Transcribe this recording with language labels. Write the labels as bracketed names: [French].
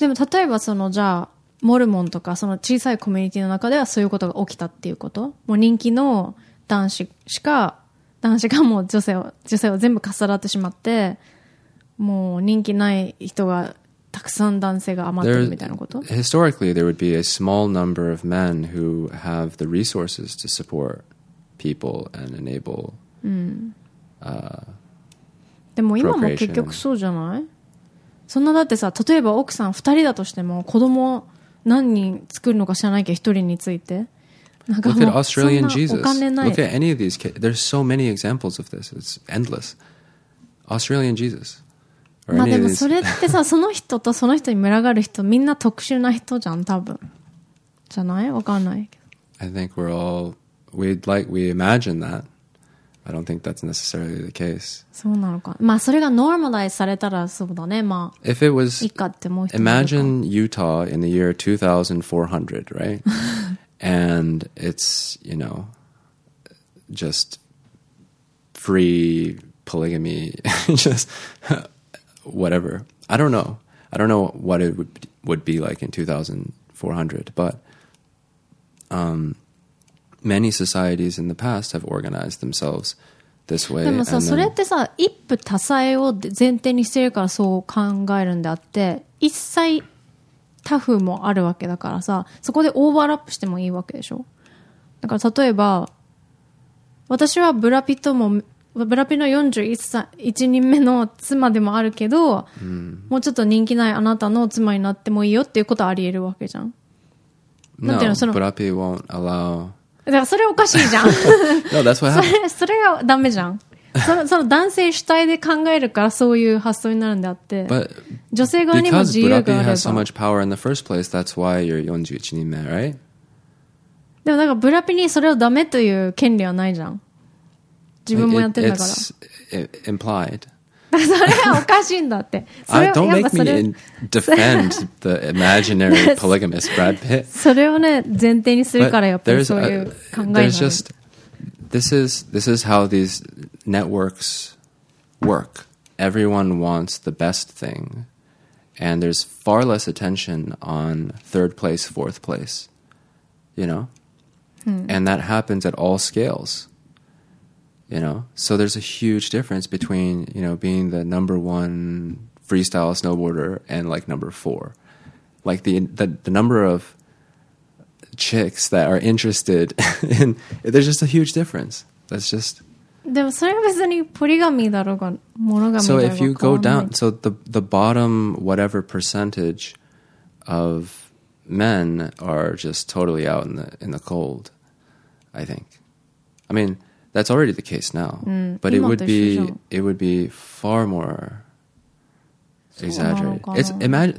[Japanese] でも例えばそのじゃあモルモンとかその小さいコミュニティの中ではそういうことが起きたっていうこと。もう人気の男子しか男子がもう女性を全部かっさらってしまって、もう人気ない人がたくさん男性が余ってるみたいなこと。 [English] Historically, there would be a small number of men who have the resources to support. People and enable [Japanese] でも今も結局そうじゃないそんなだってさ例えば奥さん2人だとしても子供何人作るのか知らないけど1人についてなんかもうそんなお金ない [English] Look at any of these kids. There's so many examples of this. It's endless. Australian Jesus. [Japanese] まあでもそれってさその人とその人に群がる人みんな特殊な人じゃん多分じゃないわかんないけど [English] I think we're allWe imagine that. I don't think that's necessarily the case. [Japanese] そうなのか。まあそれがノーマライズされたらそうだね。まあ。 [English] If it was, imagine Utah in the year 2400, right? And it's, you know, just free polygamy, just whatever. I don't know. I don't know what it would be like in 2400, but, Many societies in the past have organized themselves this way. [Japanese] でもさ、それってさ、一夫多妻を前提にしてるからそう考えるんであって、一妻多夫もあるわけだからさ、そこでオーバーラップしてもいいわけでしょ。だから例えば、私はブラピとも、ブラピの41人目の妻でもあるけど、うん、もうちょっと人気ないあなたの妻になってもいいよっていうことはあり得るわけじゃん。 No, なんていうの、その、ブラピ [English] won't allow... [Japanese] だからそれおかしいじゃん。 [English] no, that's what happened. [Japanese] それがダメじゃん。その男性主体で考えるからそういう発想になるんであって。 [English] But、 [Japanese] 女性側にも自由があれば。 [English] Because Brad has so much power in the first place, that's why you're 41人目, right? [Japanese] でもなんかブラピにそれをダメという権利はないじゃん。自分もやってんだから。 [English] It's implied. [Japanese] それはおかしいんだって。それ [English] don't make me defend the imaginary polygamist Brad Pitt. [Japanese] それをね前提にするからやっぱりそういう考えになる。 [English] There's just this is how these networks work. Everyone wants the best thing, and there's far less attention on third place, fourth place. You know, and that happens at all scales. You know, so there's a huge difference between, you know, being the number one freestyle snowboarder and like number four. Like the number of chicks that are interested in, there's just a huge difference. That's just... [Japanese] でもそれは別にポリガミだろうか、モノガミだろうか。 [English] So if you go down, so the bottom whatever percentage of men are just totally out in the cold, I think. I mean...That's already the case now.、うん、 but it would be far more exaggerated. It's imagine.